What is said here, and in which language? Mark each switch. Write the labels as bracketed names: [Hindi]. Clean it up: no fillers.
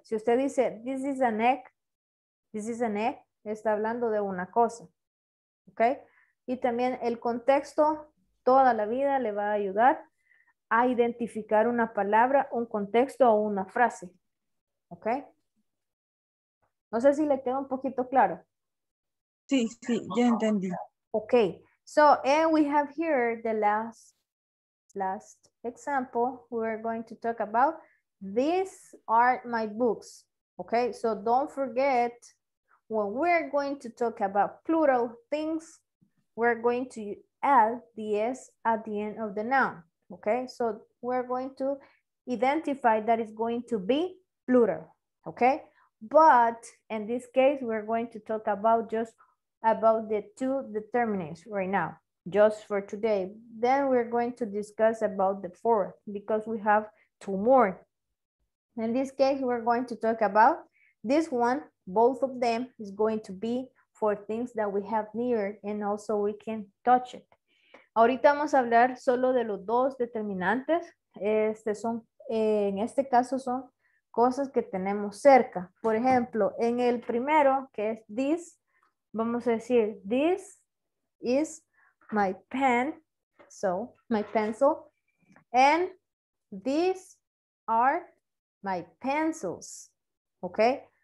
[Spanish] Si usted dice [English] this is an egg, [Spanish] this is an egg, está hablando de una cosa, ¿ok? Y también el contexto, toda la vida le va a ayudar a identificar una palabra, un contexto o una frase, ¿ok? No sé si le queda un poquito claro. Sí, sí, ya entendí. [English] Ok, so, and we have here the last last example, we're going to talk about these are my books. Okay, so don't forget, when we're going to talk about plural things, we're going to add the S at the end of the noun. Okay, so we're going to identify that it's going to be plural. Okay, but in this case, we're going to talk about just about the two determinants right now, just for today. Then we're going to discuss about the fourth because we have two more. In this case, we're going to talk about this one. Both of them is going to be for things that we have near and also we can touch it. [Spanish] Ahorita vamos a hablar solo de los dos determinantes. En este caso son cosas que tenemos cerca. Por ejemplo, en el primero, que es [English] this, [Spanish] vamos a decir, [English] this is my pen, so my pencil, and these are my pencils, okay?